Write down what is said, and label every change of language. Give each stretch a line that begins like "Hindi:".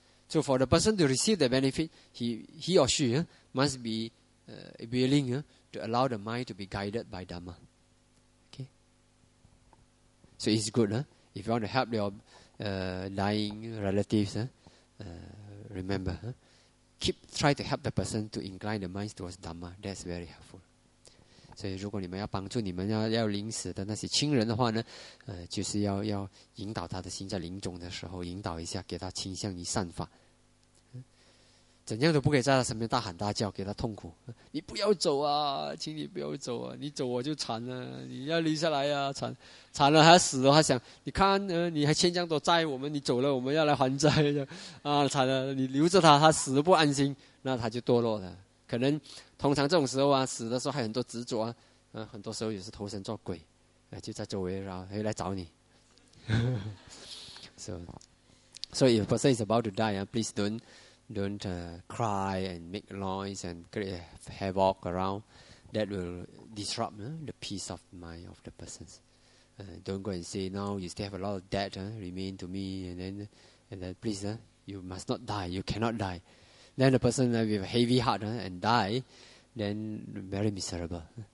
English: So for the person to receive the benefit, he or she must be willing to allow the mind to be guided by Dhamma. Okay? So it's good. If you want to help your dying relatives, remember, try to help the person to incline the mind towards Dhamma. That's very helpful. So if you want to help your relatives, remember,
Chinese: 怎样都不可以在他身边大喊大叫给他痛苦你不要走啊请你不要走啊你走我就惨了你要留下来啊惨了还死了他想你看你还欠这样多债我们你走了我们要来还债啊惨了你留着他他死不安心那他就堕落了可能通常这种时候死的时候还很多执着很多时候也是投身做鬼就在周围然后来找你
English: So if a person is about to die, please don't cry and make noise and create havoc around. That will disrupt the peace of mind of the person. Don't go and say, now you still have a lot of debt remain to me. And then please, you must not die. You cannot die. Then the person with a heavy heart and die, then very miserable.